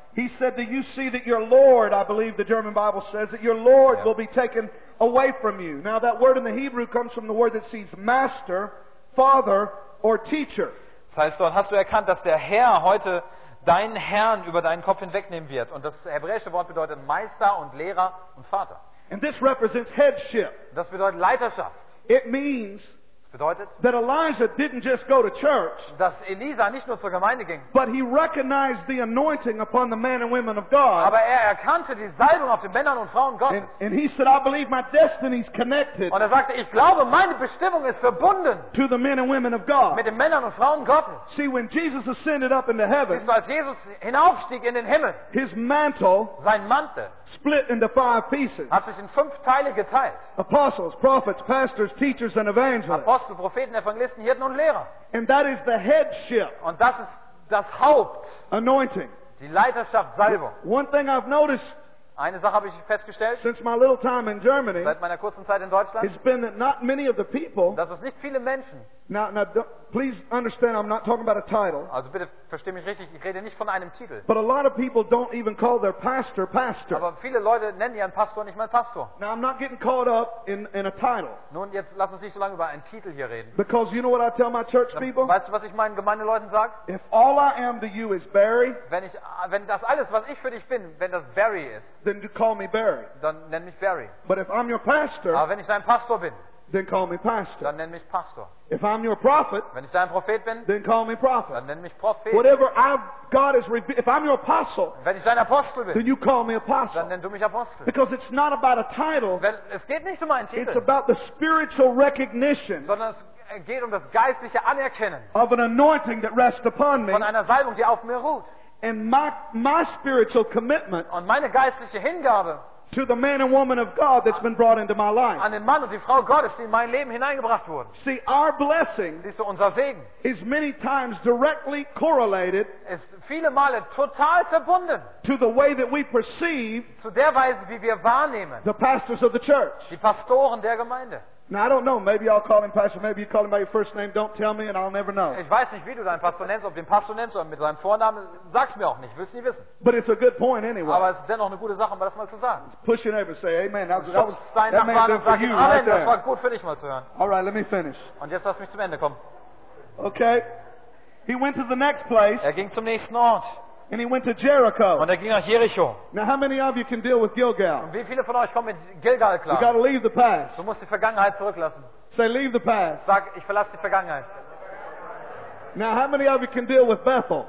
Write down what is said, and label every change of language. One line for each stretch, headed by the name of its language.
English: He said that you see that your Lord, I believe the German Bible says that your Lord will be taken away from you. Now that word in the Hebrew comes from the word that sees master, father or teacher.
German: Das heißt, dort hast du erkannt, dass der Herr heute deinen Herrn über deinen Kopf hinwegnehmen wird. Und das hebräische Wort bedeutet Meister und Lehrer und Vater.
English: And this represents headship.
German: Das bedeutet Leiterschaft.
English: It means,
German: das bedeutet,
English: that Elijah didn't just go to church,
German: dass Elisa nicht nur zur Gemeinde ging,
English: but he recognized the anointing upon the men and women of God.
German: Aber er erkannte die Salbung auf den Männern und Frauen Gottes.
English: And he said, I believe my destiny's connected.
German: Und er sagte, ich glaube, meine Bestimmung ist verbunden
English: to the men and women of God.
German: Mit den Männern und Frauen Gottes.
English: See, when Jesus ascended up into heaven,
German: siehst du, als Jesus hinaufstieg in den Himmel,
English: his mantle,
German: sein Mantel,
English: split into five pieces.
German: Hat sich in fünf Teile geteilt.
English: Apostles, prophets, pastors, teachers and evangelists.
German: Apostel, Propheten, Evangelisten, Hirten und Lehrer.
English: And that is the headship.
German: Und das ist das Haupt.
English: Anointing.
German: Die Leiterschaft, Salbung.
English: One thing I've noticed.
German: Eine Sache habe ich festgestellt.
English: Since my little time in Germany.
German: Seit meiner kurzen Zeit in Deutschland.
English: It's been that not many of the people.
German: Das ist nicht viele Menschen.
English: Now please understand, I'm not talking about a title.
German: Also bitte versteh mich richtig, ich rede nicht von einem Titel.
English: But a lot of people don't even call their pastor pastor.
German: Aber viele Leute nennen ihren Pastor nicht mal Pastor.
English: Now I'm not getting caught up in a title.
German: Nun, jetzt lass uns nicht so lange über einen Titel hier reden.
English: Because you know what I tell my church people?
German: Weißt du, was ich meinen Gemeindeleuten sage?
English: If all I am to you is Barry.
German: Wenn das alles, was ich für dich bin, wenn das Barry ist.
English: Then you call me Barry.
German: Dann nenn mich Barry.
English: But if I'm your pastor.
German: Aber wenn ich dein Pastor bin.
English: then call me pastor.
German: Dann nenn mich Pastor.
English: If I'm your prophet,
German: wenn ich dein Prophet bin,
English: then call me prophet.
German: Dann nenn mich Prophet.
English: Whatever God has revealed, if I'm your apostle,
German: wenn ich dein Apostel bin,
English: then you call me apostle.
German: Dann nenn du mich Apostel.
English: Because it's not about a title.
German: Weil es geht nicht um einen Titel.
English: It's about the spiritual recognition.
German: Sondern es geht um das geistliche Anerkennen.
English: Of an anointing that rests upon me.
German: Von einer Salbung, die auf mir ruht.
English: And my spiritual commitment.
German: Und meine geistliche Hingabe.
English: To the man and woman of God that's been brought into my life.
German: An den Mann und die Frau Gottes, die in mein Leben hineingebracht wurden.
English: See, our blessing.
German: Siehst du, unser Segen.
English: Is many times directly correlated.
German: Ist viele Male total verbunden.
English: To the way that we perceive.
German: Zu der Weise, wie wir wahrnehmen.
English: The pastors of the church.
German: Die Pastoren der Gemeinde.
English: Now I don't know. Maybe I'll call him pastor. Maybe you call him by your first name. Don't tell me, and I'll never know.
German: Ich weiß nicht, wie du deinen Pastor nennst, ob du den Pastor nennst oder mit deinem Vornamen. Sag's mir auch nicht. Willst nicht wissen.
English: But it's a good point anyway.
German: Aber es ist dennoch eine gute Sache, um das mal zu sagen.
English: Push your neighbor and say, "Amen." That was good for you, right there.
German: Das war gut für dich, mal zu hören.
English: All right, let me finish.
German: Und jetzt lass mich zum Ende kommen.
English: Okay. He went to the next place.
German: Ging zum nächsten Ort.
English: And he went to Jericho.
German: Und ging nach Jericho.
English: Now, how many of you can deal with Gilgal?
German: Und wie viele von euch kommen mit Gilgal klar?
English: You got to leave the past.
German: Du musst die Vergangenheit zurücklassen.
English: Say, leave the past.
German: Sag, ich verlasse die Vergangenheit.
English: Now, how many of you can deal with Bethel?